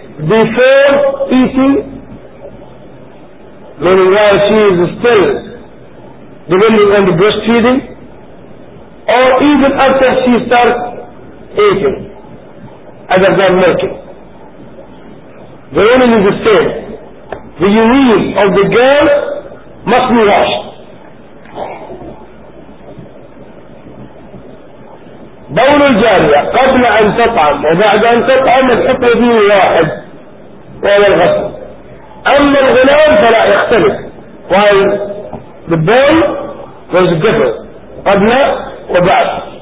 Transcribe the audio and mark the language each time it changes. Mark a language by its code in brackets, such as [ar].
[en] Before eating, meaning while she is still depending on the breastfeeding, or even after she starts eating, other than milking. The woman is the same. The urine of the girl must be washed. [ar] بول الجارية قبل أن تطعم وبعد أن تطعم الحكم فيه واحد وهو الغسل. أما الغلام فلا يختلف. [en] Why the bowl was different [ar] قبل وبعد.